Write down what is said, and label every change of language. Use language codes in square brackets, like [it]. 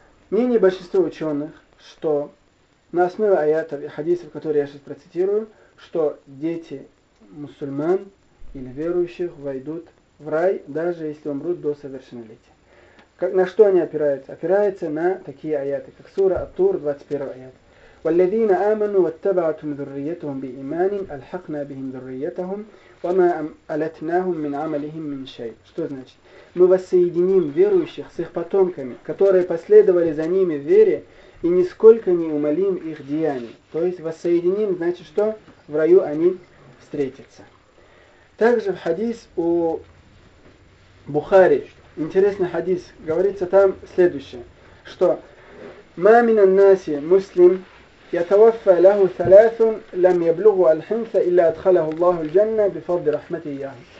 [ru] Мнение большинства ученых, что на основе аятов и хадисов, которые я сейчас процитирую, что дети мусульман или верующих войдут в рай, даже если умрут до совершеннолетия. Как, на что они опираются? Опираются на такие аяты, как сура Ат-Тур, 21 аят. [ar] والذين آمنوا واتبعوا ذريتهم بإيمان ألحقنا بهم ذريتهم وما ألتناهم من عملهم من شيء. [ru] Что значит? Мы воссоединим верующих с их потомками, которые последовали за ними в вере, и нисколько не умолим их деяний. То есть воссоединим, значит, что в раю они встретятся. Также в хадис у Бухари, интересный хадис, говорится там следующее, что [ar] «Ма мин ан-наси муслим يتوفى له ثلاث لم يبلغوا الحنث إلا أدخله الله الجنة بفضل رحمته إياه.